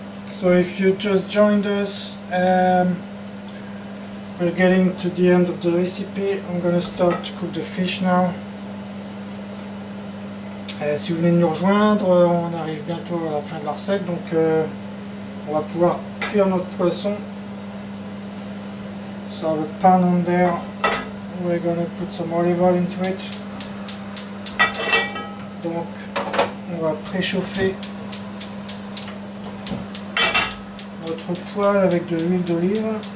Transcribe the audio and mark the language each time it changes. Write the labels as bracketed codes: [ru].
[en] So if you just joined us, we're getting to the end of the recipe. I'm gonna start to cook the fish now. [fr] Si vous venez de nous rejoindre, on arrive bientôt à la fin de la recette, donc on va pouvoir cuire notre poisson. [en] So the pan on there, we're gonna put some olive oil into it. [fr] Donc on va préchauffer notre poêle avec de l'huile d'olive.